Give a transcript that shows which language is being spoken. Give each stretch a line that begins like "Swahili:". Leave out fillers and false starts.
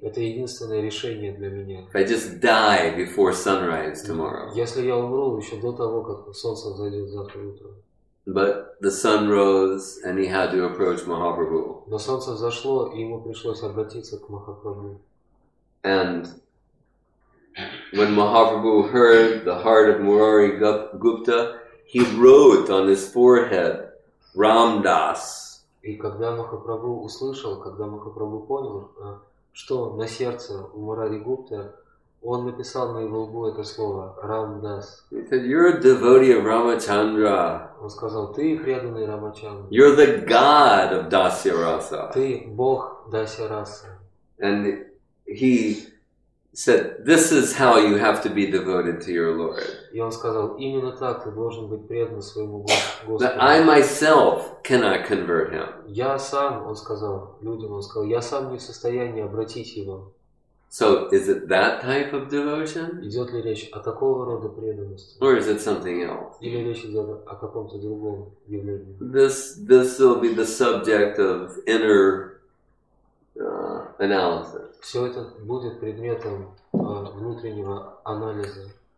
Russian: Это единственное решение для меня.
English: If I just die before sunrise tomorrow.
Russian: Если я умру еще до того, как солнце взойдет завтра утром.
English: But the sun rose, and he had to approach Mahaprabhu.
Russian: Но солнце взошло, и ему пришлось обратиться к Махапрабху.
English: And when Mahaprabhu heard the heart of Murari Gupta, he wrote on his forehead, Ramdas.
Russian: И когда Махапрабху услышал, когда Махапрабху понял, что на сердце у Мурари Гупты, он написал на его лбу это слово Рамдас.
English: He said, "You're a devotee of Ramachandra."
Russian: Он сказал, ты преданный Рамачандра.
English: You're the god of Dasya Rasa.
Russian: Ты бог Дасья Раса.
English: And he said, this is how you have to be devoted to your Lord.
Russian: И он сказал, именно так ты должен быть предан своему Господу.
English: That I myself cannot convert him.
Russian: Я сам, он сказал людям, он сказал, я сам не в состоянии обратить его.
English: So is it that type of devotion?
Russian: Идет ли речь о такого рода преданности?
English: Or is it something else?
Russian: Или речь идет о каком-то другом явлении?
English: This will be the subject of inner analysis.
Russian: Все это будет предметом внутреннего анализа.